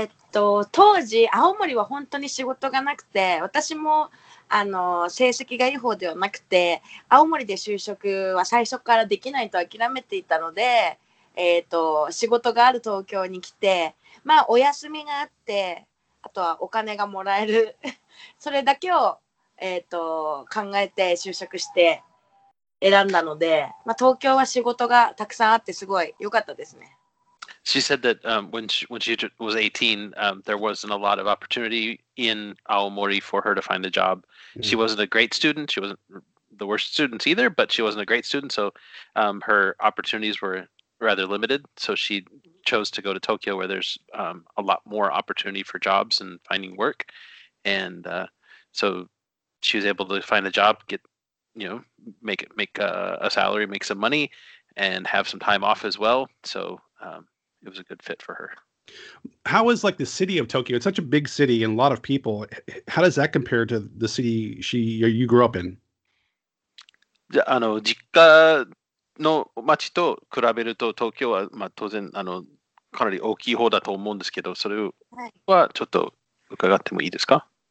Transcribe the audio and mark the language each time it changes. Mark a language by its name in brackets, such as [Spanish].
[Japanese] 当時青森は本当に仕事がなくて、私も成績がいい方ではなくて、青森で就職は最初からできないと諦めていたので、仕事がある東京に来て、まあお休みがあって、あとはお金がもらえる、それだけを考えて就職して選んだので、まあ、東京は仕事がたくさんあってすごい良かったですね。 [English] She said that when she was 18, there wasn't a lot of opportunity in Aomori for her to find a job. Mm-hmm. She wasn't a great student. She wasn't the worst student either, but she wasn't a great student. So her opportunities were rather limited. So she chose to go to Tokyo, where there's a lot more opportunity for jobs and finding work. And so she was able to find a job, make a salary, make some money, and have some time off as well. So it was a good fit for her. How is like the city of Tokyo? It's such a big city and a lot of people. How does that compare to the city you grew up in? [Japanese] 実家の街と比べると東京は、まあ、当然かなり大きい方だと思うんですけど、それはちょっと伺ってもいいですか？